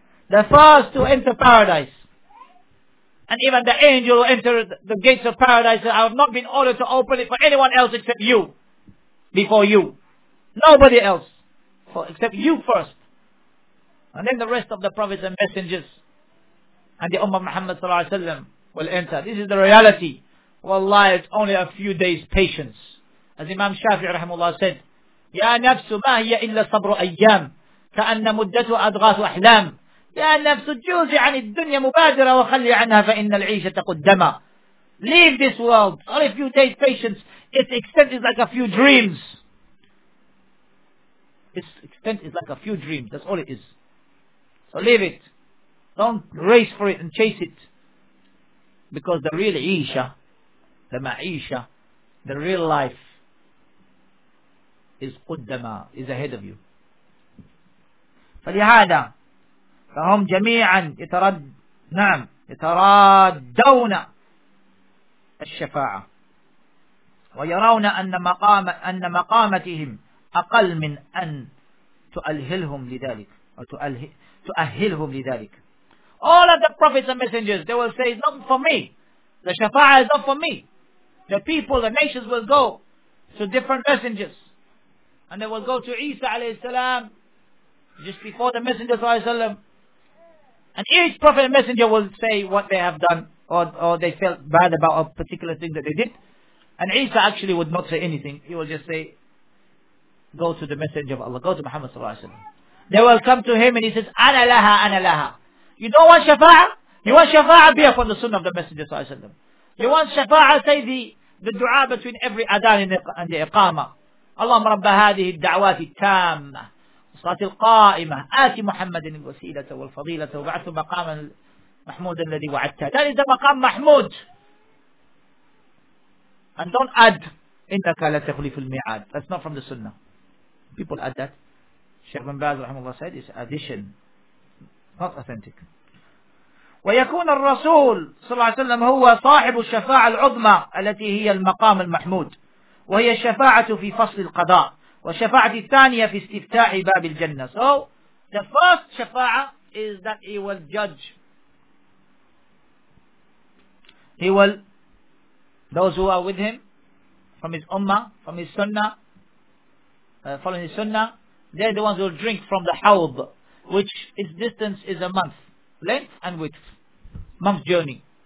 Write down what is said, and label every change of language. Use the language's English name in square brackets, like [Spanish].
[English] The first to enter paradise. And even the angel who entered the gates of paradise said, I have not been ordered to open it for anyone else except you. Before you. Nobody else. Except you first. And then the rest of the prophets and messengers. And the Ummah Muhammad sallallahu alayhi wa sallam will enter. This is the reality. Wallahi, it's only a few days' patience. As Imam Shafi'i rahimahullah said, [Arabic] يا نفس ما هي إلا صبر أيام كأن مدته أضغاث أحلام يا نفس جوزي عن الدنيا مبادرة وخلي عنها فإن العيشة قدما. [English] Leave this world. Only a few days' patience. Its extent is like a few dreams. Its extent is like a few dreams. That's all it is. So leave it. Don't race for it and chase it. Because the real Isha, the Ma'isha, the real life, is قُدَّمَا, is ahead of you. [Arabic] فلهذا فهم جميعا يترد نعم يترادون الشفاعة ويرون أن مقام أن مقامتهم أقل من أن تؤهلهم لذلك أو تؤهلهم لذلك. [English] All of the prophets and messengers, they will say, it's not for me. The shafa'ah is not for me. The people, the nations will go to different messengers. And they will go to Isa alayhi salam, just before the Messenger sallallahu alayhi salam. And each prophet and messenger will say what they have done, or they felt bad about a particular thing that they did. And Isa actually would not say anything. He will just say, go to the Messenger of Allah, go to Muhammad sallallahu alayhi salam. They will come to him and he says, ana laha, ana laha. You don't want shafa'ah? You want shafa'ah? Be upon the sunnah of the Messenger sallallahu alayhi salam. You want shafa'ah? Say the dua between every adhan and the iqamah. [Arabic] اللهم رب هذه الدعوات التامة والصلاة القائمة آت محمد الوسيلة والفضيلة وبعث مقاما محمودا الذي وعدته. [English] That is the [Arabic] مقام محمود. [English] And don't add [Arabic] إنك لا تخلف الميعاد. [English] That's not from the sunnah. People add that. Sheikh bin Baz [Arabic] رحمه الله [English] said it's addition, not authentic. [Arabic] ويكون الرسول صلى الله عليه وسلم هو صاحب الشفاعة العظمى التي هي المقام المحمود وهي الشفاعة في فصل القضاء والشفاعة الثانية في استفتاح باب الجنة. [English] So the first shafa'ah is that he will judge. He will, those who are with him from his ummah, from his sunnah, following his sunnah, they're the ones who will drink from the hawd, which its distance is a month length and width, month journey.